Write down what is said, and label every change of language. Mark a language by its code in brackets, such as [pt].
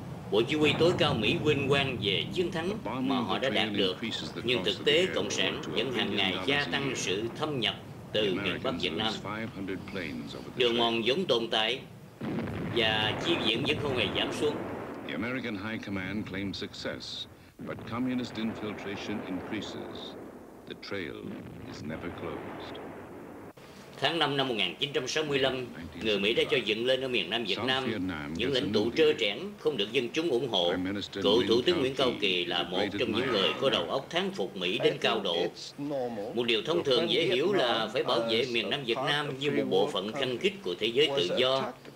[vi] Bộ Chỉ huy tối cao Mỹ vinh quang về chiến thắng mà họ đã đạt được, nhưng thực tế Cộng sản vẫn hàng ngày gia tăng sự thâm nhập từ miền Bắc Việt Nam. Đường mòn vẫn tồn tại và chi viện vẫn không hề giảm xuống. [en] The American High Command claims success, but communist infiltration increases. The trail is never closed. [vi] Tháng 5 năm 1965, người Mỹ đã cho dựng lên ở miền Nam Việt Nam những lãnh tụ trơ trẽn không được dân chúng ủng hộ. Cựu Thủ tướng Nguyễn Cao Kỳ là một trong những người có đầu óc thán phục Mỹ đến cao độ. Một điều thông thường dễ hiểu là phải bảo vệ miền Nam Việt Nam như một bộ phận khăng khít của thế giới tự do.